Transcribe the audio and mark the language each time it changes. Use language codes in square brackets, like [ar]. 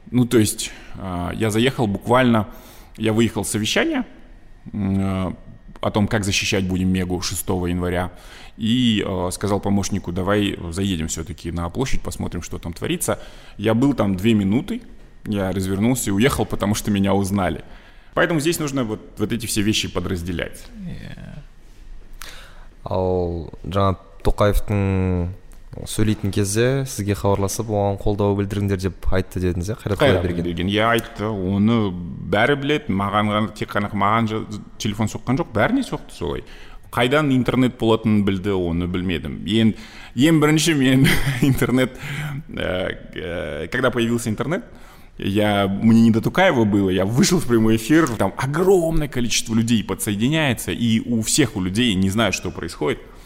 [ru] Ну, то есть, я заехал буквально, я выехал с совещания о том, как защищать будем Мегу 6 января, и сказал помощнику, давай заедем все-таки на площадь, посмотрим, что там творится. Я был там 2 минуты, я развернулся и уехал, потому что меня узнали. Поэтому здесь нужно вот эти все вещи подразделять. [kk] Ал жаңа Тоқаевтың сөйлейтін кезде сізге хабарласып, оған қолдау білдіріңдер деп айтты дедіңіз, ә? Қайрат Құдайберген. Я айтты, оны бәрі білет, маған тек қана маған телефон соққан жоқ, бәріне соқты солай. Қайдан интернет болатынын білді, оны білмедім. Ең бірінші мен интернет, [ru] когда появился интернет, мне не до Тукаева было, я вышел в прямой эфир, там огромное количество людей подсоединяется, и у всех у людей не знают, что происходит.